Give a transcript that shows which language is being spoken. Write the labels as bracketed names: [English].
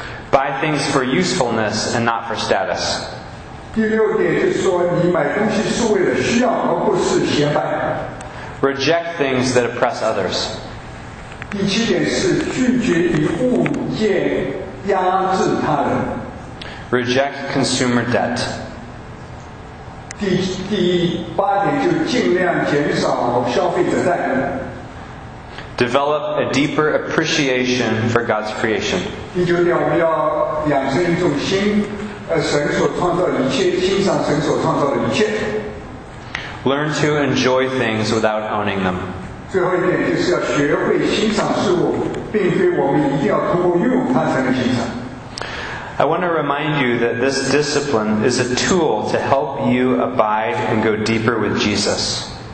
[English] Buy things for usefulness and not for status. [Chinese] 第六点就是说，你买东西是为了需要，而不是显摆。 [English] Reject things that oppress others. [Chinese] 第七点是拒绝以物价压制他人。 [English] Reject consumer debt. [Chinese] 第八点就尽量减少消费者贷款。 [English] Develop a deeper appreciation for God's creation. [Chinese] 第九点，我们要养成一种心，神所创造的一切，欣赏神所创造的一切。 [English] Learn to enjoy things without owning them. [Chinese] 最后一点就是要学会欣赏事物，并非我们一定要通过拥有它才能欣赏。 [English] I want to remind you that this discipline is a tool to help you abide and go deeper with Jesus.